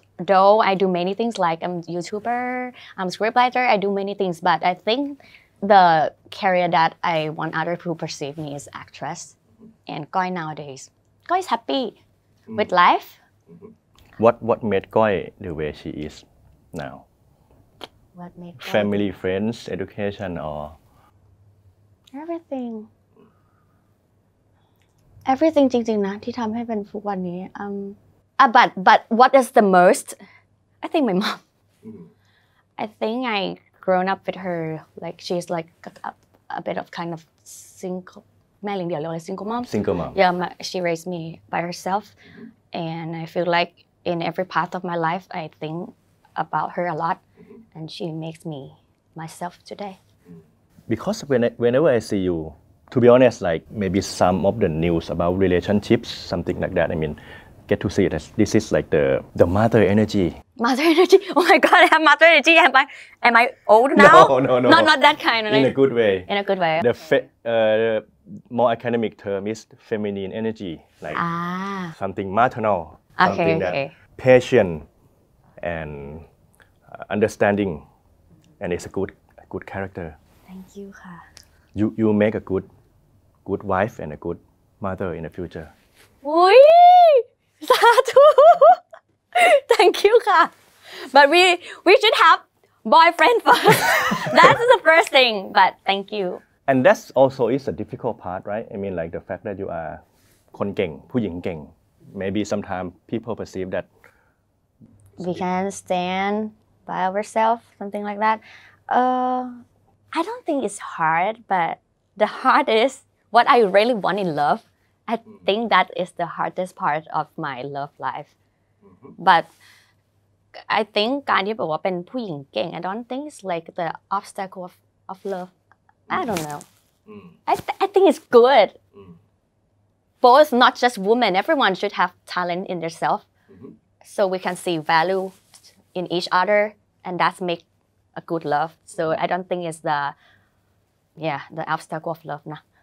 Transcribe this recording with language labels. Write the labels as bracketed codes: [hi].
[en] Though I do many things, like I'm a YouTuber, I'm a scriptwriter, I do many things, but I think the career that I want other people to perceive me is actress. And Goy nowadays, Goy is happy with life. What made Goy the way she is now? What made family, friends, education, or everything? Everything, [th] จริงๆนะที่ทำให้เป็นทุกวันนี้ [en] but what is the most? I think my mom. I think I grown up with her. Like she's like a bit of kind of single. [th] แม่เลี้ยงเดี่ยวหรือ [en] single mom? Single mom. Yeah, she raised me by herself, and I feel like. In every part of my life, I think about her a lot, and she makes me myself today. Because whenever I see you, to be honest, like maybe some of the news about relationships, something like that, I mean, get to see that this is like the mother energy. Mother energy? Oh my God, I have mother energy. Am I old now? No. Not that kind. In a good way. In a good way. The more academic term is feminine energy, like something maternal. Okay. Patient and understanding, and it's a good character. Thank you, ค่ะ. You make a good wife and a good mother in the future. [th] อุ้ย สาธุ [en] Thank you, ค่ะ. But we should have boyfriend first. That's the first thing. But thank you. And that's also is a difficult part, right? I mean, like the fact that you are [th] คนเก่ง ผู้หญิงเก่ง. [en] Maybe sometimes people perceive that we can stand by ourselves, something like that. I don't think it's hard, but the hardest what I really want in love. I think that is the hardest part of my love life. But I think [th] การที่บอกว่าเป็นผู้หญิงเก่ง [en] I don't think it's like the obstacle of love. I don't know. I think it's good. Both, not just women, everyone should have talent in themselves. So we can see value in each other and that's make a good love. So I don't think it's the obstacle of love. Nah.